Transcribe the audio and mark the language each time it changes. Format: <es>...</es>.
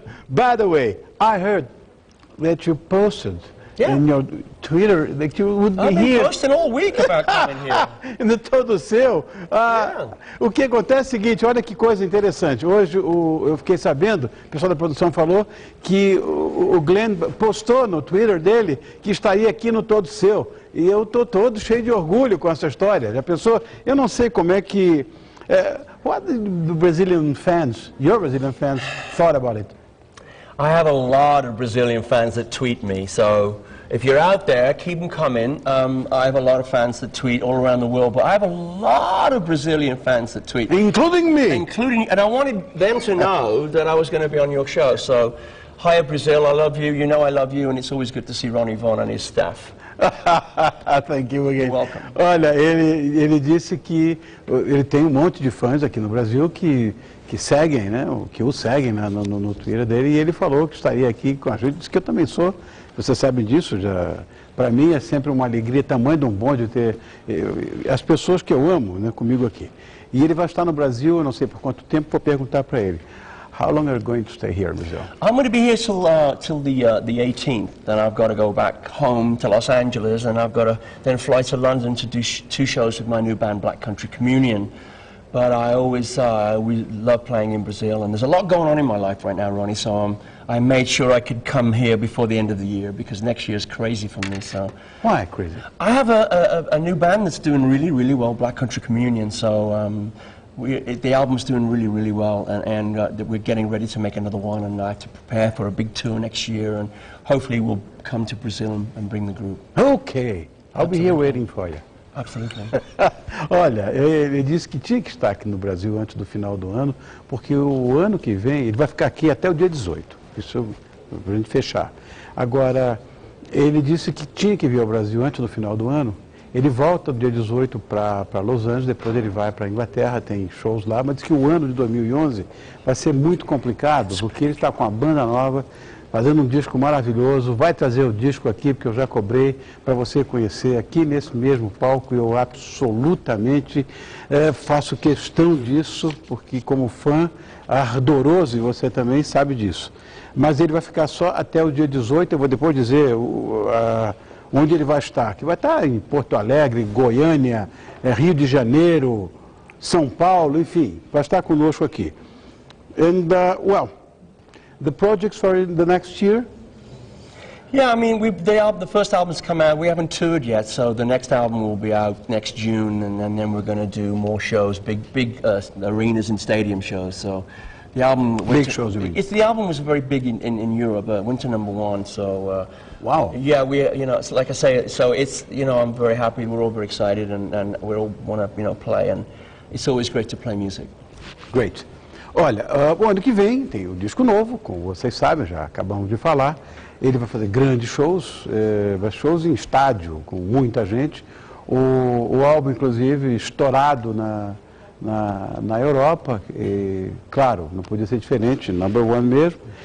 <en>By the way, I heard that you posted in your Twitter that you would be here. I've been posting all week about coming here. In the Todo Seu.</en> <pt>O que acontece é o seguinte, olha que coisa interessante. Hoje eu fiquei sabendo, o pessoal da produção falou, que o Glenn postou no Twitter dele que estaria aqui no Todo Seu. E eu estou todo cheio de orgulho com essa história. Já pensou? Eu não sei como é que...</pt> <en>what do Brazilian fans, your Brazilian fans, thought about it? I have a lot of Brazilian fans that tweet me, so if you're out there, keep them coming. I have a lot of fans that tweet all around the world, but I have a lot of Brazilian fans that tweet. Including me! Including, and I wanted them to know that I was going to be on your show, so hiya Brazil, I love you, you know I love you, and it's always good to see Ronnie Vaughn and his staff. Thank you again. You're welcome.</en> <pt>Olha, ele disse que ele tem um monte de fãs aqui no Brasil que seguem, né? Que o seguem, né? no Twitter dele, e ele falou que estaria aqui com a gente, disse que eu também sou. Você sabe disso, já. Para mim é sempre uma alegria, tamanho de um bonde ter as pessoas que eu amo, né, comigo aqui. E ele vai estar no Brasil, eu não sei por quanto tempo, vou perguntar para ele.</pt> <en>How long are you going to stay here, Miguel? I'm going to be here till the 18th. Then I've got to go back home to Los Angeles, and I've got to then fly to London to do two shows with my new band, Black Country Communion. But I always we love playing in Brazil, and there's a lot going on in my life right now, Ronnie. So I made sure I could come here before the end of the year, because next year is crazy for me. So why crazy? I have a new band that's doing really, really well, Black Country Communion. So the album's doing really, really well, and we're getting ready to make another one, and I have to prepare for a big tour next year, and hopefully we'll come to Brazil and bring the group. Okay, I'll be here waiting for you.</en> <pt>Absolutamente. Olha, ele disse que tinha que estar aqui no Brasil antes do final do ano, porque o ano que vem, ele vai ficar aqui até o dia 18, isso para a gente fechar. Agora, ele disse que tinha que vir ao Brasil antes do final do ano, ele volta do dia 18 para Los Angeles, depois ele vai para a Inglaterra, tem shows lá, mas diz que o ano de 2011 vai ser muito complicado, porque ele está com a banda nova, fazendo um disco maravilhoso, vai trazer o disco aqui, porque eu já cobrei, para você conhecer aqui nesse mesmo palco, e eu absolutamente faço questão disso, porque como fã ardoroso, e você também sabe disso. Mas ele vai ficar só até o dia 18, eu vou depois dizer onde ele vai estar, que vai estar em Porto Alegre, Goiânia, Rio de Janeiro, São Paulo, enfim, vai estar conosco aqui.</pt> <en>And, well... The projects for the next year? Yeah, I mean, the first album's come out. We haven't toured yet, so the next album will be out next June, and then we're going to do more shows, big arenas and stadium shows. So, the album big shows. The album was very big in Europe. It went to number one. So, wow. Yeah, we you know, it's like I say. So it's you know, I'm very happy. We're all very excited, and we all want to you know play, and it's always great to play music. Great.</en> <pt>Olha, o ano que vem tem o disco novo, como vocês sabem, já acabamos de falar. Ele vai fazer grandes shows, shows em estádio, com muita gente. O álbum, inclusive, estourado na Europa. E, claro, não podia ser diferente, number one mesmo.</pt>